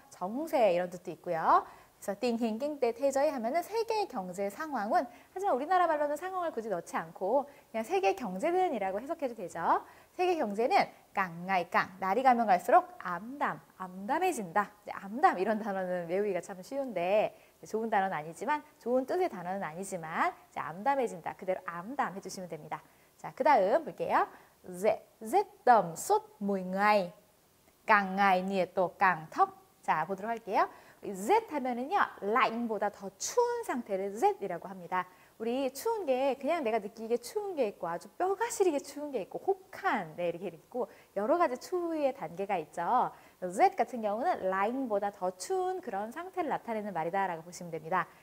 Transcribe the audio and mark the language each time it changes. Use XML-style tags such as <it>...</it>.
<ko>정세 이런 뜻도 있고요. 그래서 띵힝 깽때 태저이 하면은 세계 경제 상황은, 하지만 우리나라 말로는 상황을 굳이 넣지 않고 그냥 세계 경제는이라고 해석해도 되죠. 세계 경제는 깡아이깡, 날이 가면 갈수록 암담, 암담해진다. 네, 암담 이런 단어는 외우기가 참 쉬운데, 좋은 단어는 아니지만, 좋은 뜻의 단어는 아니지만, 이제 암담해진다. 그대로 암담 해주시면 됩니다. 자, 그 다음 볼게요.</ko> <vi>Rét đậm suốt mười ngày, càng ngày nhiệt độ càng thấp.</vi> <ko>자, 보도록 할게요. Rét 하면은요, lạnh보다 더 추운 상태를 Rét이라고 합니다. 우리 추운 게 그냥 내가 느끼기에 추운 게 있고 아주 뼈가 시리게 추운 게 있고 혹한, 네, 이렇게 있고 여러 가지 추위의 단계가 있죠. Rét 같은 경우는 lạnh보다 더 추운 그런 상태를 나타내는 말이다라고 보시면 됩니다.</ko>